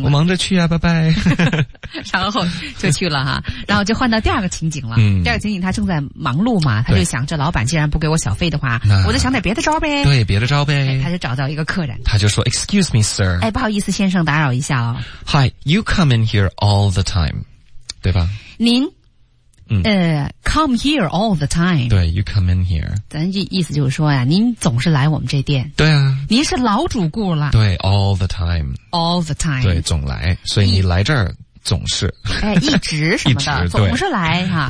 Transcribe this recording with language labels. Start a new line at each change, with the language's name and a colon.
Chinese: 我忙着去啊，拜拜。然后就去了哈，然后就换到第二个情景了、嗯、第二个情景他正在忙碌嘛，他就想着老板既然不给我小费的话，我就想点别的招呗，对，别的招呗、哎、他就找到一个客人，他就说
English: Excuse me sir，
Chinese: 哎不好意思先生打扰一下哦。
English: Hi, you come in here all the time
Chinese: 对吧，您嗯、
English: come here all the time，对 you come in here，
Chinese: 咱意思就是说呀，您总是来我们这店，对啊，您是老主顾了，
English: 对 all the time， all the time，
Chinese: 对总来，所以你来这儿总是哎，一直什么的总是来哈。